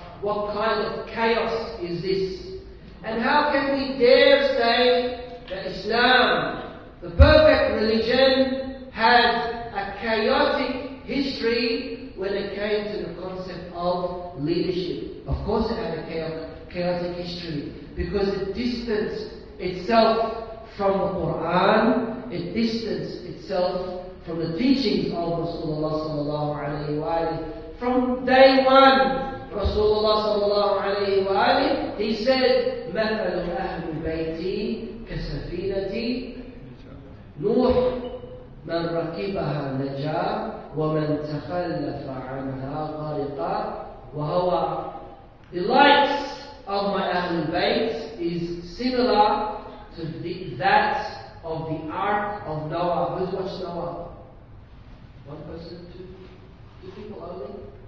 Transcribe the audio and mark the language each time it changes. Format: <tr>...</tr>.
<en>What kind of chaos is this? And how can we dare say that Islam, the perfect religion, had a chaotic history when it came to the concept of leadership? Of course it had a chaotic history, because it distanced itself from the Quran, it distanced itself from the teachings of Rasulullah sallallahu alayhi wa alayhi. From day one, Rasulullah sallallahu alayhi wa alayhi, he said,</en> <ar>مثل أهل بيتي كسفينة نوح من ركبها نجا ومن تخلف عنها غرقا وهو.</ar> <en>The likes of my Ahlul Bayt is similar to that of the Ark of Noah. Who's watched Noah? One person, two people only?</en>